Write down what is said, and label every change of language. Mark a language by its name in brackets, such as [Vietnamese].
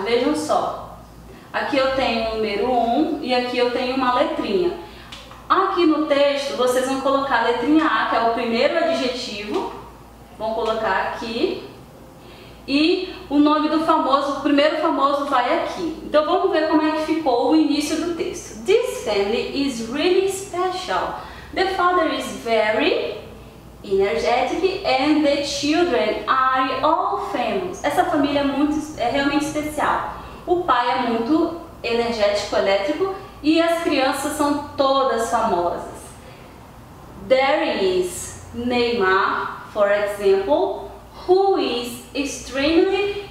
[Portuguese] Vejam só, aqui eu tenho o número 1 e aqui eu tenho uma letrinha. Aqui no texto vocês vão colocar a letrinha A, que é o primeiro adjetivo, vão colocar aqui, e o nome do famoso, o primeiro famoso vai aqui. Então vamos ver como é que ficou o início do texto. [English] This family is really special. The father is very energetic and the children are all famous. [Portuguese] Essa família é muito, é realmente especial. O pai é muito energético, elétrico, e as crianças são todas famosas. [English] There is Neymar, for example, who is extremely...